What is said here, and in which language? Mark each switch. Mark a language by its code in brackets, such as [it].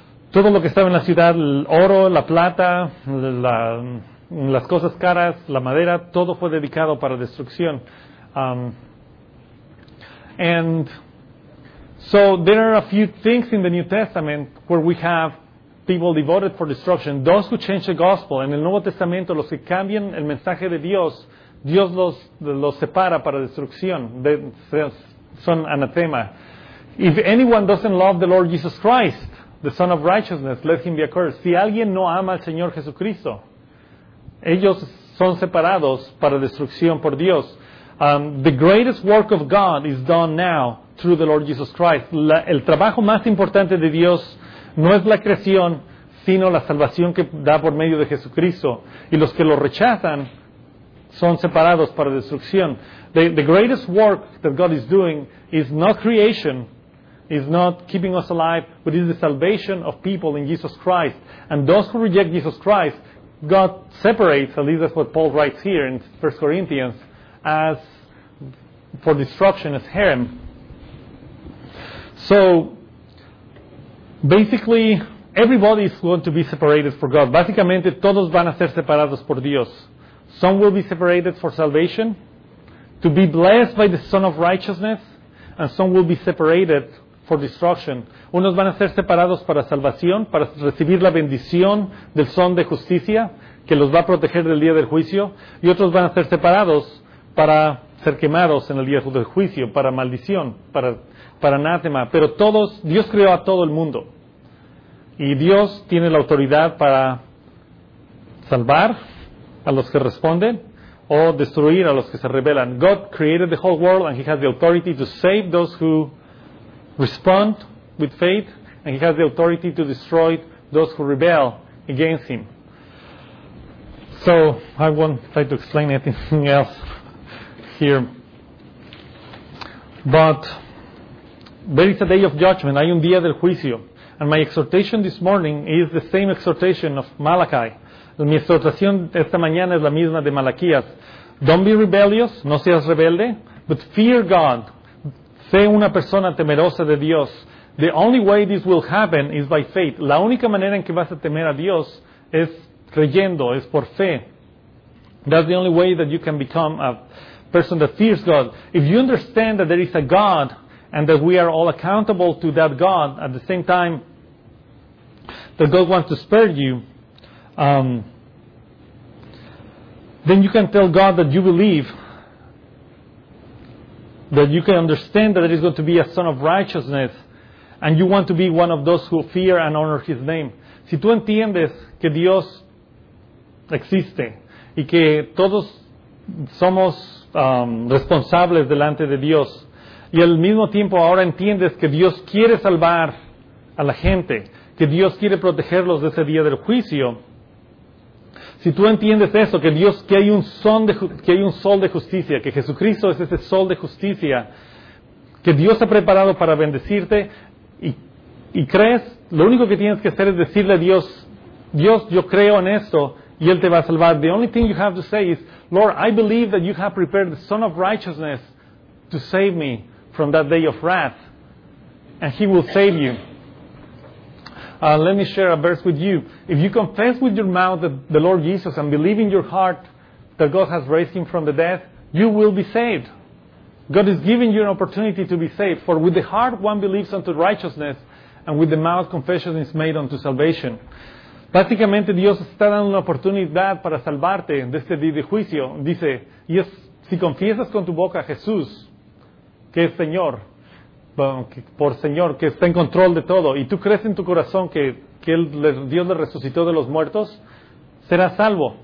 [es] Todo lo que estaba en la ciudad, el oro, la plata, las cosas caras, la madera, todo fue dedicado para destrucción. [en] And so there are a few things in the New Testament where we have people devoted for destruction. Those who change the gospel. [es] En el Nuevo Testamento, los que cambian el mensaje de Dios, Dios los separa para destrucción. Son anatema. [en] If anyone doesn't love the Lord Jesus Christ, the Son of Righteousness, let him be accursed. [es] Si alguien no ama al Señor Jesucristo, ellos son separados para destrucción por Dios. [en] The greatest work of God is done now through the Lord Jesus Christ. [es] El trabajo más importante de Dios no es la creación, sino la salvación que da por medio de Jesucristo. Y los que lo rechazan son separados para destrucción. [en] The greatest work that God is doing is not creation, is not keeping us alive, but is the salvation of people in Jesus Christ. And those who reject Jesus Christ, God separates, at least that's what Paul writes here in 1 Corinthians, as for destruction, as harem. So, basically, everybody is going to be separated for God. [es] Básicamente, todos van a ser separados por Dios. [en] Some will be separated for salvation, to be blessed by the Son of Righteousness, and some will be separated for destruction. [es] Unos van a ser separados para salvación, para recibir la bendición del Son de Justicia, que los va a proteger del día del juicio, y otros van a ser separados para ser quemados en el día del juicio, para maldición, para anátema. Pero todos, Dios creó a todo el mundo, y Dios tiene la autoridad para salvar a los que responden, o destruir a los que se rebelan. [en] God created the whole world, and He has the authority to save those who respond with faith, and He has the authority to destroy those who rebel against Him. So, I won't try to explain anything else here. But there is a day of judgment. [es] Hay un día del juicio. [en] And my exhortation this morning is the same exhortation of Malachi. [es] Mi exhortación esta mañana es la misma de Malaquías. [en] Don't be rebellious, [es] no seas rebelde, [en] but fear God. [es] Sé una persona temerosa de Dios. [en] The only way this will happen is by faith. [es] La única manera en que vas a temer a Dios es creyendo, es por fe. [en] That's the only way that you can become a person that fears God. If you understand that there is a God and that we are all accountable to that God, at the same time that God wants to spare you, then you can tell God that you believe, that you can understand that there is going to be a Son of Righteousness, and you want to be one of those who fear and honor His name. [es] Si tú entiendes que Dios existe y que todos somos responsables delante de Dios, y al mismo tiempo ahora entiendes que Dios quiere salvar a la gente, que Dios quiere protegerlos de ese día del juicio, si tú entiendes eso, que Dios, que hay un sol de justicia, que Jesucristo es ese sol de justicia, que Dios ha preparado para bendecirte, y crees, lo único que tienes que hacer es decirle a Dios, Dios, yo creo en esto, y Él te va a salvar. [en] The only thing you have to say is, Lord, I believe that you have prepared the Son of Righteousness to save me from that day of wrath. and He will save you. Let me share a verse with you. If you confess with your mouth the Lord Jesus and believe in your heart that God has raised Him from the dead, you will be saved. God is giving you an opportunity to be saved. For with the heart one believes unto righteousness, and with the mouth confession is made unto salvation. [es] Básicamente Dios está dando una oportunidad para salvarte de este día de juicio. Dice, y es, si confiesas con tu boca a Jesús, que es Señor, por Señor, que está en control de todo, y tú crees en tu corazón que Dios le resucitó de los muertos, serás salvo.